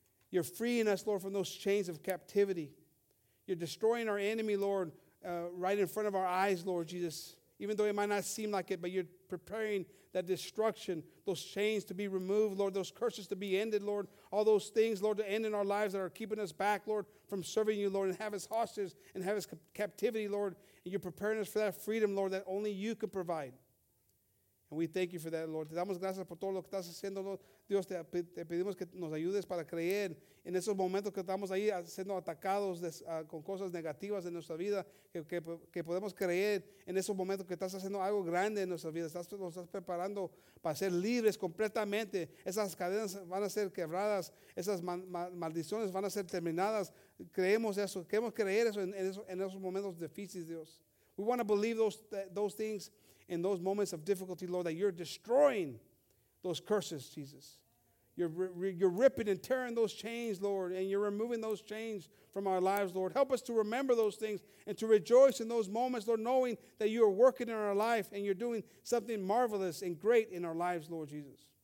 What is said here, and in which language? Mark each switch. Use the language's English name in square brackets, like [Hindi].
[English] You're freeing us, Lord, from those chains of captivity. You're destroying our enemy, Lord, right in front of our eyes, Lord Jesus, even though it might not seem like it, but you're preparing that destruction, those chains to be removed, Lord, those curses to be ended, Lord, all those things, Lord, to end in our lives that are keeping us back, Lord, from serving you, Lord, and have us hostage and have us captivity, Lord, and you're preparing us for that freedom, Lord, that only you can provide. And we thank you for that, Lord. [Spanish] Te damos gracias por todo lo que estás haciendo, Lord. Dios, te pedimos que nos ayudes para creer en esos momentos que estamos ahí siendo atacados con cosas negativas en nuestra vida, que podemos creer en esos momentos que estás haciendo algo grande en nuestra vida. Nos estás preparando para ser libres completamente. Esas cadenas van a ser quebradas. Esas maldiciones van a ser terminadas. Creemos eso. Queremos creer eso en esos momentos difíciles, Dios. [English] We want to believe those things. In those moments of difficulty, Lord, that you're destroying those curses, Jesus. You're ripping and tearing those chains, Lord, and you're removing those chains from our lives, Lord. Help us to remember those things and to rejoice in those moments, Lord, knowing that you are working in our life and you're doing something marvelous and great in our lives, Lord Jesus.